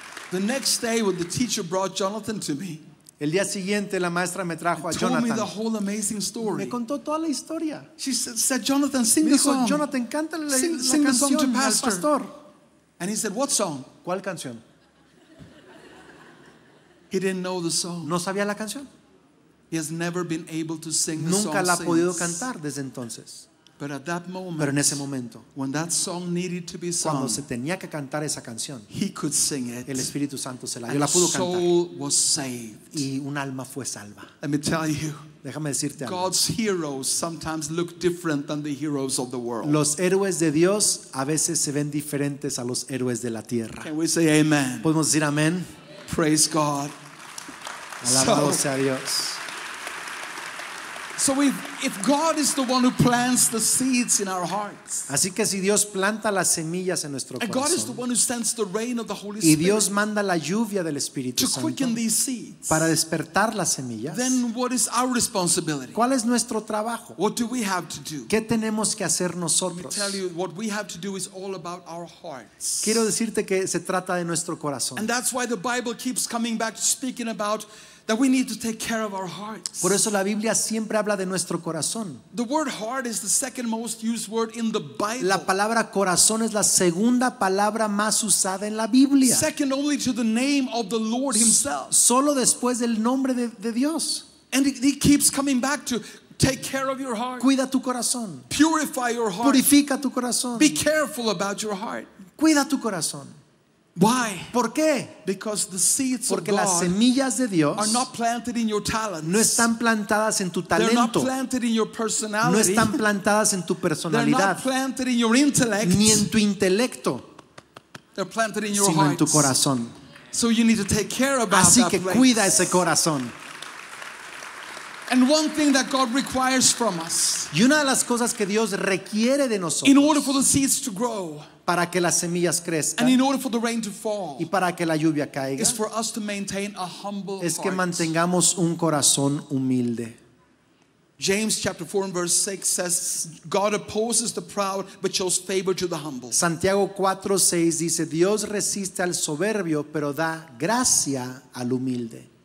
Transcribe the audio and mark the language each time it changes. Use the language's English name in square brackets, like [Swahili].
[English] The next day when the teacher brought Jonathan to me, [Spanish] el día siguiente la maestra me trajo a Jonathan. [English] Told me the whole amazing story. [Spanish] Me contó toda la historia. [English] She said, Jonathan, sing [Spanish] me dijo, [English] the song. [Spanish] Jonathan, cántale la, [English] sing [Spanish] la canción [English] the song to pastor. [Spanish] Al pastor. [English] And he said, what song? [Spanish] ¿Cuál canción? [English] He didn't know the song. [Spanish] No sabía la canción. [English] He has never been able to sing the [Spanish] nunca [English] song [Spanish] la ha [English] since. [Spanish] Podido cantar desde entonces. [English] But at that moment, [Spanish] pero en ese momento, [English] when that song needed to be sung, [Spanish] cuando se tenía que cantar esa canción, [English] he could sing it. [Spanish] El Espíritu Santo se la, [English] and [Spanish] la pudo cantar. [English] Soul was saved. [Spanish] Y un alma fue salva. [English] Let me tell you. [Spanish] Déjame decirte algo. [English] God's heroes sometimes look different than the heroes of the world. [Spanish] Los héroes de Dios a veces se ven diferentes a los héroes de la tierra. [English] Can we say amen? [Spanish] ¿Podemos decir amén? [English] Praise God. [Spanish] Alabado sea Dios. [English] So if God is the one who plants the seeds in our hearts, [Spanish] así que si Dios planta las semillas en nuestro corazón, [English] and God is the one who sends the rain of the Holy Spirit, [Spanish] y Dios manda la lluvia del Espíritu Santo [English] to quicken these seeds, [Spanish] para despertar las semillas, [English] then what is our responsibility? [Spanish] ¿Cuál es nuestro trabajo? [English] What do we have to do? [Spanish] ¿Qué tenemos que hacer nosotros? [English] Let me tell you, what we have to do is all about our hearts. [Spanish] Quiero decirte que se trata de nuestro corazón. [English] And that's why the Bible keeps coming back to speaking about that we need to take care of our hearts. [Spanish] Por eso la Biblia siempre habla de nuestro corazón. [English] The word heart is the second most used word in the Bible. [Spanish] La palabra corazón es la segunda palabra más usada en la Biblia. [English] Second only to the name of the Lord himself. [Spanish] Solo después del nombre de Dios. [English] And he keeps coming back to take care of your heart. [Spanish] Cuida tu corazón. [English] Purify your heart. [Spanish] Purifica tu corazón. [English] Be careful about your heart. [Spanish] Cuida tu corazón. [English] Why? [Spanish] ¿Por qué? [English] Because the seeds [Spanish] porque [English] of God [Spanish] las semillas de Dios [English] are not planted in your talents. [Spanish] No están plantadas en tu talento. [English] They're not planted in your personality. [Spanish] No están plantadas en tu personalidad. [English] They're not planted in your intellect. [Spanish] Ni en tu intelecto. [English] They're planted in your [Spanish] sino [English] hearts. [Spanish] En tu corazón. [English] So you need to take care about [Spanish] así que [English] that place. [Spanish] Cuida ese corazón. [English] And one thing that God requires from us. [Spanish] Y una de las cosas que Dios requiere de nosotros. [English] In order for the seeds to grow. [Spanish] Para que las semillas crezcan. [English] And in order for the rain to fall, [Spanish] y para que la lluvia caiga. [English] Is for us to maintain a humble [Spanish] es que mantengamos un corazón humilde. [English] James chapter 4 and verse 6 says, God opposes the proud but shows favor to the humble. [Spanish] Santiago 4:6 dice, Dios resiste al soberbio pero da gracia al humilde.